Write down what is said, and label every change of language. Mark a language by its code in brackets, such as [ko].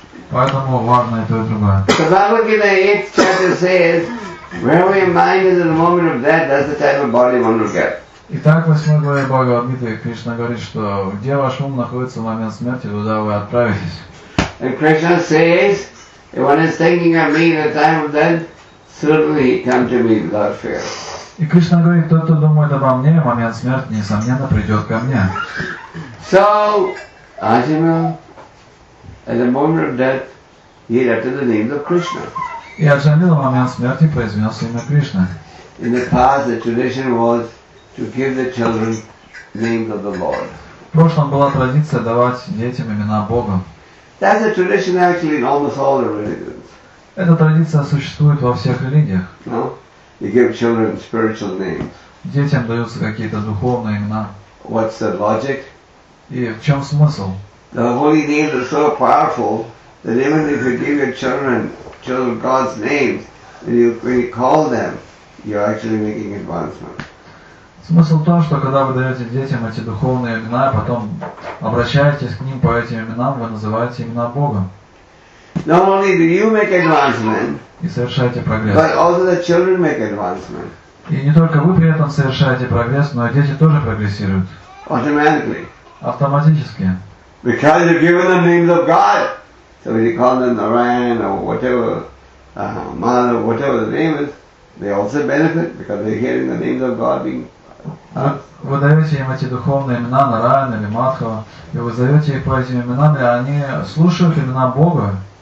[ru] Поэтому важно и то, и другое. [en] Bhagavad Gita 8 says, where your mind is in the moment of death, that's the type of body one will get. [ru] Итак, восьмой главе Бхагавад Гиты Кришна говорит, что где ваш ум находится в момент смерти, туда вы отправитесь. [en] And Krishna says, if one is thinking of me in the time of death, certainly he come to me without fear. [ru] И Кришна говорит, тот, кто думает обо мне, в момент смерти, несомненно, придет ко мне. [en] So, Arjuna, at the moment of death, he uttered the name of Krishna. [ru] И Арджамила в момент смерти произнес имя Кришна. [en] In the past, the tradition was to give the children names of the Lord. [ru] В прошлом была традиция давать детям имена Бога. [en] That's a tradition actually in almost all the religions. [ru] Эта традиция существует во всех религиях. [en] No? You give children spiritual names. [ru] Детям даются какие-то духовные имена. [en] What's the logic? [ru] И в чем смысл? [en] The holy names are so powerful that even if you give your children God's names, when you call them, you're actually making advancement. [ru] Смысл в том, что когда вы даете детям эти духовные имена, а потом обращаетесь к ним по этим именам, вы называете имена Бога. [en] Not only do you make advancement, [ru] и совершаете прогресс. [en] But also the children make advancement. [ru] И не только вы при этом совершаете прогресс, но и дети тоже прогрессируют. [en] Automatically. [ru] Автоматически. [en] Because you've given them names of God. So if you call them Narayan or whatever, Man or whatever the name is, they also benefit because they're hearing the names of God being. [ru] Вы даете им эти духовные имена, Нараян или Мадхава, и вы зовете их по этим именам, и они слушают имена Бога.